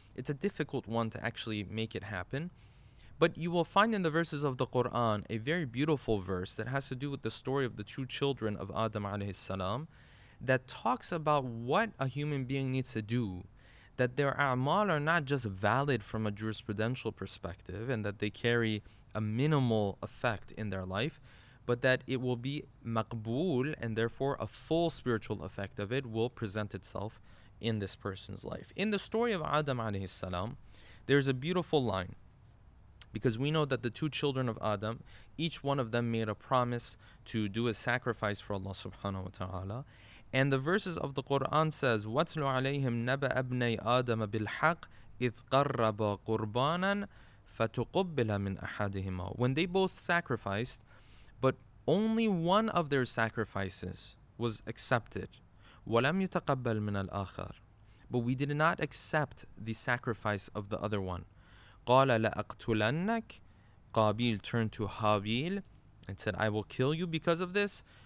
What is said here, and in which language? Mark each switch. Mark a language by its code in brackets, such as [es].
[en] It's a difficult one to actually make it happen. But you will find in the verses of the Quran a very beautiful verse that has to do with the story of the two children of Adam alayhi salam, that talks about what a human being needs to do, that their a'mal are not just valid from a jurisprudential perspective and that they carry a minimal effect in their life, but that it will be maqbool, and therefore a full spiritual effect of it will present itself in this person's life. In the story of Adam alayhi salam, there's a beautiful line, because we know that the two children of Adam, each one of them made a promise to do a sacrifice for Allah subhanahu wa ta'ala. And the verses of the Quran says, [ar] وَاتْلُ عَلَيْهِمْ نَبَأَ أَبْنَيْ آدَمَ بِالْحَقِّ إِذْ قَرَّبَ قُرْبَانًا فَتُقُبِّلَ مِنْ أَحَدِهِمَا. [en] When they both sacrificed, but only one of their sacrifices was accepted. [ar] وَلَمْ يُتَقَبَّلْ مِنَ الْآخَرِ. [en] But we did not accept the sacrifice of the other one. [ar] قَالَ لَأَقْتُلَنَّكَ. [en] Qabil turned to Habil and said, I will kill you because of this.